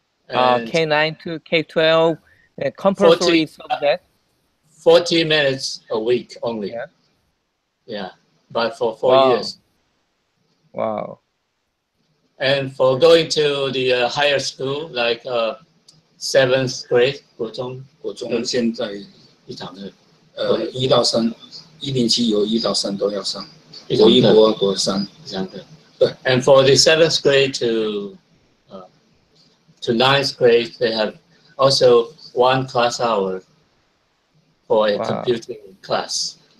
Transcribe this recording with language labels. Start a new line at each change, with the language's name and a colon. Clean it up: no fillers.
English: K-9 to K-12, compulsory 40, subject? 40 minutes a week only. But for four years. Wow. And for going to the higher school, like seventh grade,
Chinese: 国中现在一堂的，一到三，一零七有一到三都要上，国一、国二、国三这样的。对。And
English: for the seventh grade to ninth grade, they have also one class hour for a computing class.